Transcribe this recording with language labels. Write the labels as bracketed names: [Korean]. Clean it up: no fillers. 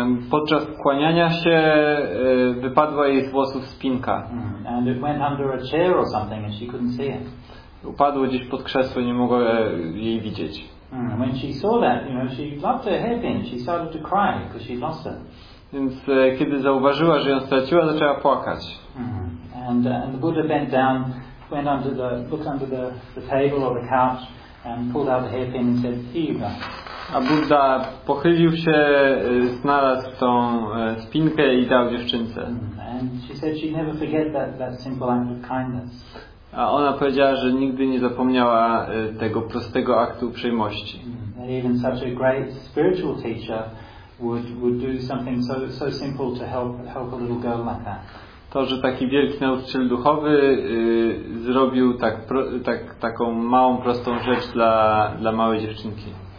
[Polish] Podczas kłaniania się wypadła jej z włosów spinka. [English] And it went under a chair or something and she couldn't see it. [Polish] Upadło gdzieś pod krzesło, nie mogła jej widzieć. [English] And when she saw that, you know, she dropped her head in. She started to cry because she lost it. [Polish] Więc kiedy zauważyła, że ją straciła, zaczęła płakać. [English] And the Buddha bent down, went under the, looked under the table or the couch and pulled out the hairpin and said, "Here." [Polish] A Buddha pochylił się, znalazł tą spinkę i dał dziewczynce. [English] And she said she'd never forget that simple act of kindness. [Polish] A ona powiedziała, że nigdy nie zapomniała tego prostego aktu uprzejmości. [English] That even such a great spiritual teacher would do something so simple to help a little girl like that. [Polish] To, że taki wielki nauczyciel duchowy zrobił taką małą, prostą rzecz dla małej dziewczynki.